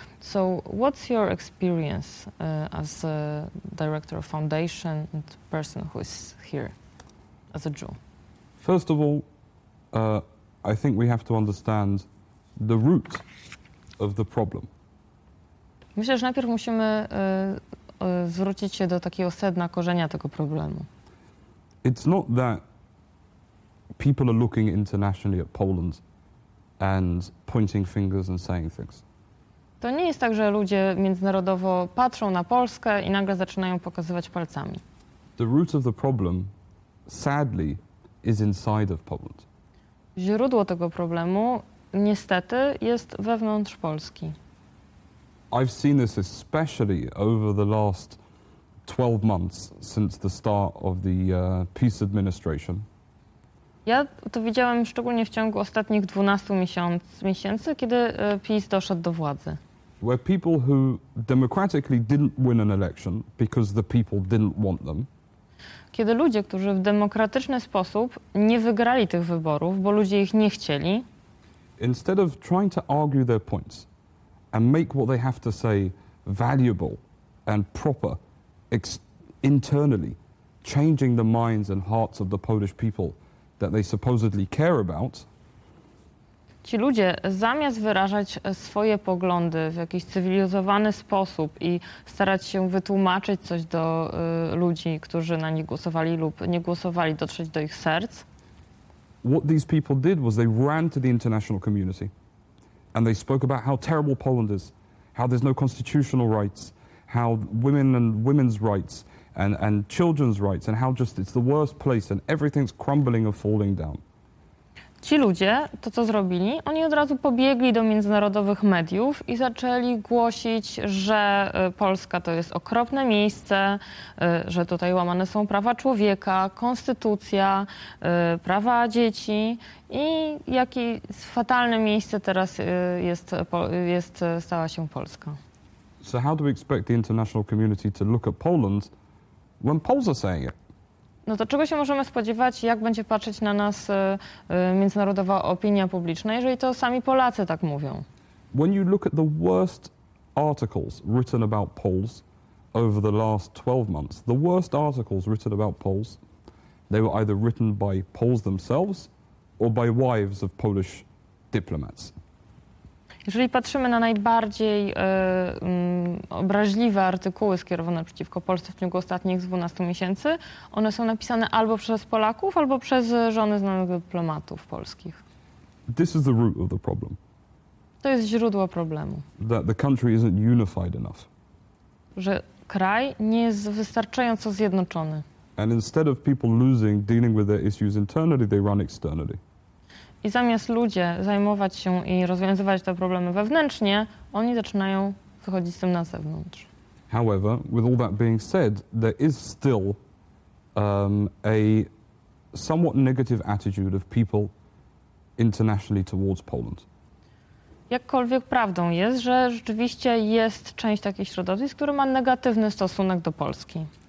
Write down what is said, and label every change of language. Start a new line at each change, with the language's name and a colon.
English: So what's your experience as a director of foundation and person who is here as a Jew? First of all, I think we have to understand the root of the problem.
Polish: Myślę, że najpierw musimy zwrócić się do takiego sedna, korzenia tego problemu.
English: It's not that people are looking internationally at Poland and pointing fingers and saying things.
Polish: To nie jest tak, że ludzie międzynarodowo patrzą na Polskę i nagle zaczynają pokazywać palcami.
English: The root of the problem, sadly, is inside of Poland.
Polish: Źródło tego problemu niestety jest wewnątrz Polski.
English: I've seen this especially over the last 12 months since the start of the peace administration.
Polish: Ja to widziałem szczególnie w ciągu ostatnich 12 miesięcy, kiedy PiS doszedł do władzy.
English: Where people who democratically didn't win an election because the people didn't want them.
Polish: Kiedy ludzie, którzy w demokratyczny sposób nie wygrali tych wyborów, bo ludzie ich nie chcieli.
English: Instead of trying to argue their points and make what they have to say valuable and proper internally, changing the minds and hearts of the Polish people that they supposedly care about.
Polish: Ci ludzie, zamiast wyrażać swoje poglądy w jakiś cywilizowany sposób i starać się wytłumaczyć coś do ludzi, którzy na nich głosowali lub nie głosowali, dotrzeć do ich serc.
English: What these people did was they ran to the international community and they spoke about how terrible Poland is, how there's no constitutional rights, how women and women's rights and children's rights and how just it's the worst place and everything's crumbling and falling down.
Polish: Ci ludzie, to co zrobili, oni od razu pobiegli do międzynarodowych mediów i zaczęli głosić, że Polska to jest okropne miejsce, że tutaj łamane są prawa człowieka, konstytucja, prawa dzieci i jakie fatalne miejsce teraz jest stała się Polska.
English: So how do we expect the international community to look at Poland when Poles are saying it?
Polish: No to czego się możemy spodziewać, jak będzie patrzeć na nas międzynarodowa opinia publiczna, jeżeli to sami Polacy tak mówią?
English: When you look at the worst articles written about Poles over the last 12 months, the worst articles written about Poles, they were either written by Poles themselves or by wives of Polish diplomats.
Polish: Jeżeli patrzymy na najbardziej obraźliwe artykuły skierowane przeciwko Polsce w ciągu ostatnich 12 miesięcy, one są napisane albo przez Polaków, albo przez żony znanych dyplomatów polskich.
English: This is the root of the problem.
Polish: To jest źródło problemu.
English: That the country isn't unified enough.
Polish: Że kraj nie jest wystarczająco zjednoczony.
English: And instead of people losing, dealing with their issues internally, they run externally.
Polish: I zamiast ludzie zajmować się i rozwiązywać te problemy wewnętrznie, oni zaczynają wychodzić z tym na zewnątrz.
English: However, with all that being said, there is still a somewhat negative attitude of people internationally towards Poland.
Polish: Jakkolwiek prawdą jest, że rzeczywiście jest część takich środowisk, które ma negatywny stosunek do Polski.